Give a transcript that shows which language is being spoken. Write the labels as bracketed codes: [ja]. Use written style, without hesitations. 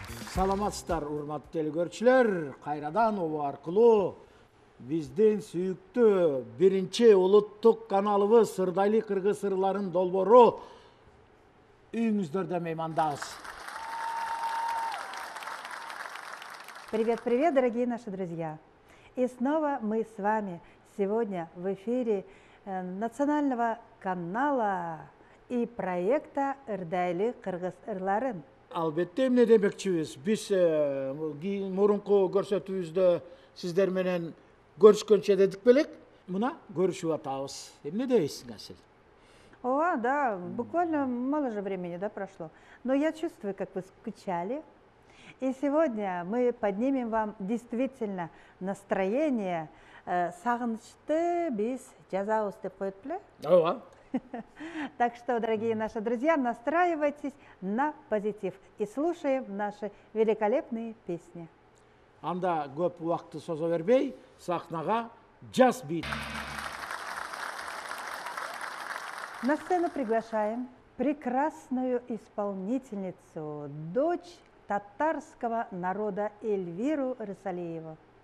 [ky] Саламатсыздар, урматтуу телегөрчүлөр. Кайрадан ово аркылуу биздин сүйүктүү биринчи улуттук каналыбыз Сырдайлык кыргыз сырларын долбоору үйүңүздөрдө меймандасыз. [ru] Привет, привет, дорогие наши друзья. И снова мы с вами сегодня в эфире национального канала и проекта Сырдайлык кыргыз сырларын. [ky] Албетте эмне демекчибиз? Биз мурунку көрсөтүүбүздө сиздер менен көрүшкөнчө дедик белек, мына көрүшүп атабыз. Эмне дейсиң асыл? [ru] Ооба, да, буквально мало же времени, да, прошло. Но я чувствую, как вы скучали. И сегодня мы поднимем вам действительно настроение. [ky] Сагынычты биз жазабыз деп коёт беле? Ооба. [ru] Так что, дорогие наши друзья, настраивайтесь на позитив и слушаем наши великолепные песни. [ky] Анда көп убакты созо бербей, сахнага Jazz Beat. [ru] На сцену приглашаем прекрасную исполнительницу, дочь татарского народа Эльвиру Рысалиеву.